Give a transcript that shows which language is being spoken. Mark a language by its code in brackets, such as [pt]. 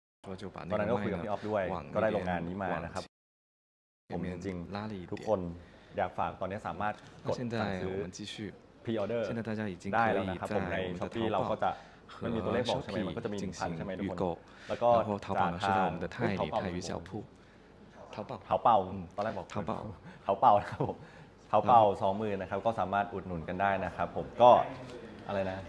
[th] ตอนนั้นก็คุยกับพี่ออฟด้วยก็ได้โรงงานนี้มานะครับผมจริงทุกคนอยากฝากตอนนี้สามารถกดสั่งซื้ อพรีออเดอร์ ได้ แล้วนะครับผมในช้อปปี้เราก็จะมันมีตัวเลขบอกใช่ไหมมันก็จะมีพันใช่ไหมทุกคนแล้วก็ [zh] 淘宝是在我们的泰里泰语小铺 [th] เผาเป่าตอนแรกบอก เผาเป่า เผาเป่านะครับผมเผาเป่า20,000นะครับก็สามารถอุดหนุนกันได้นะครับผมก็อะไรนะ